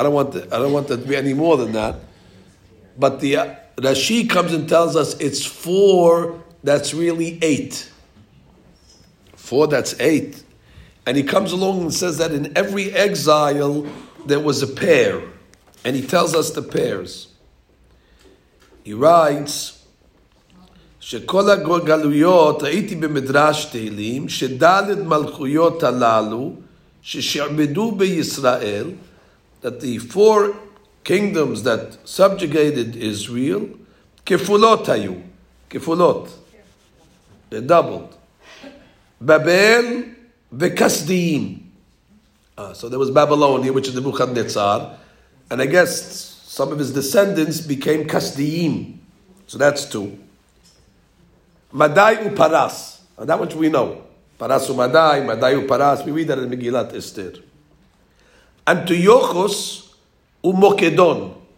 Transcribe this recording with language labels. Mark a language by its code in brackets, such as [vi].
[en] I don't want there to be any more than that. But the Rashi comes and tells us it's four that's really eight. Four that's eight. And he comes along and says that in every exile, there was a pair. And he tells us the pairs. He writes, [he] שכל הגלויות הייתי במדרש תהילים שדלת מלכויות הללו ששעבדו בישראל, [en] that the four kingdoms that subjugated Israel [he] כפולות היו, כפולות, [en] they doubled, [he] בבל וכסדיים. [en] So there was Babylonia, which is the Nebuchadnezzar, and I guess some of his descendants became כסדיים. So that's two. Madai uparas. That much we know. Paras umadai, madai uparas. We read that in Megillat Esther. Antiochus umokedon.